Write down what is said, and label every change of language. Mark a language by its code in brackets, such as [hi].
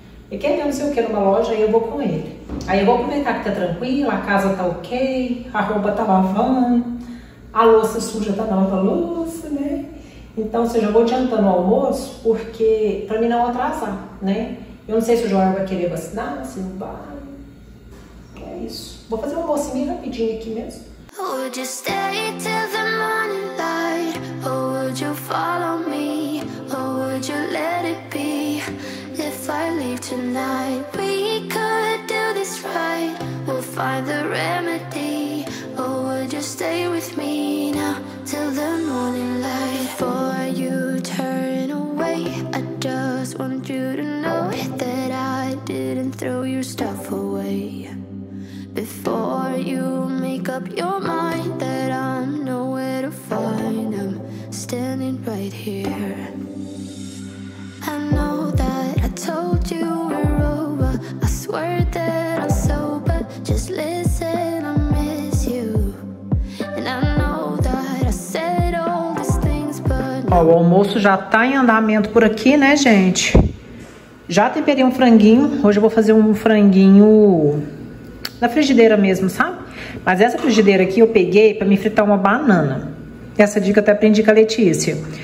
[pt] E querendo, se eu quero uma loja, aí eu vou com ele. Aí eu vou comentar que tá tranquilo, a casa tá ok, a roupa tá lavando, a louça suja tá na outra louça, né? Então, ou seja, eu vou adiantando o almoço, porque pra mim não atrasar, né? Eu não sei se o Jorge vai querer vacinar, se não vai. É isso. Vou fazer uma mocinha bem rapidinho aqui mesmo. [en] Would you stay till the morning light? Or would you follow me? Or would you let it be? If I leave tonight, we could do this right. We'll find the remedy. Or would you stay with me now till the morning light? Before you turn away, I just want you to know that I didn't throw your stuff away. Before you make up your mind that I'm nowhere to find, I'm standing right here. I know that I told you we're over. I swear that I'm sober. Just listen, I miss you. And I know that I said all these things, but. [pt] Ó, o almoço já tá em andamento por aqui, né, gente? Já temperei um franguinho. Hoje eu vou fazer um franguinho na frigideira mesmo, sabe? Mas essa frigideira aqui eu peguei pra me fritar uma banana. Essa dica eu até aprendi com a Letícia.